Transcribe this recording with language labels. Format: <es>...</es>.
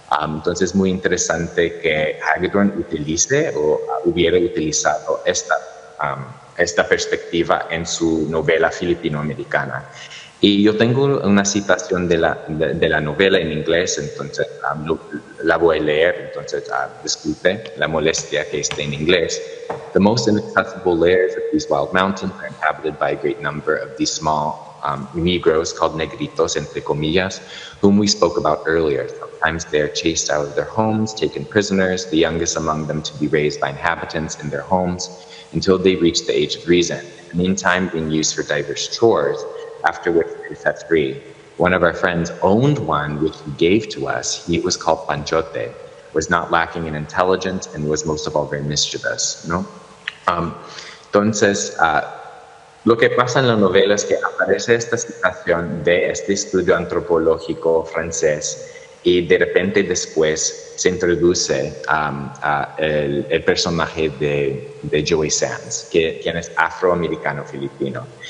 <es>Entonces, es muy interesante que Hagedorn utilice o hubiera utilizado esta perspectiva en su novela filipino-americana. Y yo tengo una citación de la novela en inglés, entonces la voy a leer, entonces disculpe la molestia que esté en inglés.</es> <en>The most inaccessible layers of these wild mountains are inhabited by a great number of these small negroes called negritos,</en> <es>entre comillas,</es> <en>whom we spoke about earlier. Sometimes they are chased out of their homes, taken prisoners, the youngest among them to be raised by inhabitants in their homes until they reach the age of reason. In the meantime, being used for diverse chores, after which they set free. One of our friends owned one which he gave to us. He was called Panchote, was not lacking in intelligence, and was most of all very mischievous.</en> <es>No? Entonces, lo que pasa en la novela es que aparece esta situación de este estudio antropológico francés, y de repente después se introduce el personaje de Joey Sands, quien es afroamericano filipino.</es>